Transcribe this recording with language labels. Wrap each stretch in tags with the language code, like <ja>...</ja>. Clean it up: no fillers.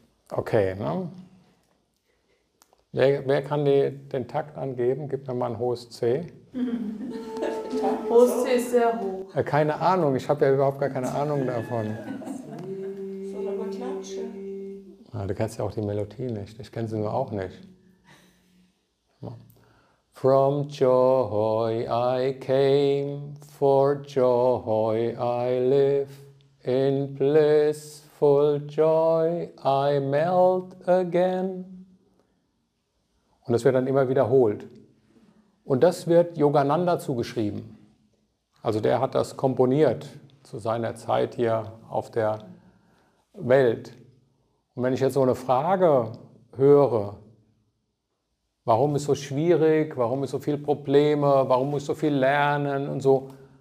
<de>Okay, ne? Wer kann den Takt angeben? Gib mir mal ein hohes C. Hohes C ist sehr hoch. Keine Ahnung, ich habe ja überhaupt gar keine Ahnung davon. Soll aber klatschen. Du kennst ja auch die Melodie nicht, ich kenne sie nur auch nicht.</de> <en>From joy I came, for joy I live. In blissful joy I melt again.</en> <de>Und das wird dann immer wiederholt. Und das wird Yogananda zugeschrieben. Also der hat das komponiert zu seiner Zeit hier auf der Welt. Und wenn ich jetzt so eine Frage höre, warum ist es so schwierig, warum ist so viel Probleme, warum muss ich so viel lernen und so.</de>